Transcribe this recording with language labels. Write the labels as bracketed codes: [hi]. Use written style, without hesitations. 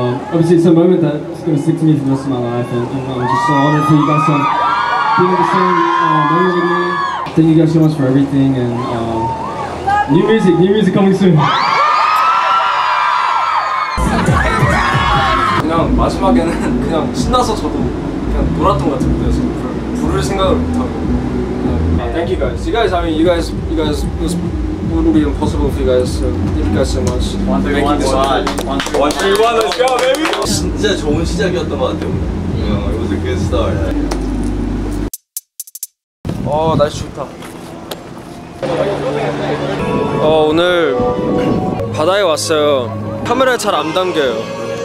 [en] Obviously, it's a moment that's going to stick to me for the rest of my life, and I'm just so honored for you guys to be in the same moment with me. Thank you guys so much for everything, and new music coming soon. [ko] 마지막에는 그냥 신나서 저도 그냥 놀았던 것 같아요. 그래서 부를 생각을 못하고. [en] Thank you guys. You guys, it wouldn't be impossible for you guys. So thank you guys so much. 1-3-1, let's go, baby! [ko] 진짜 좋은 시작이었던 것 같아요. [en] It was a good start. [ko] 날씨 좋다. 오늘 바다에 왔어요. 카메라에 잘 안 담겨요.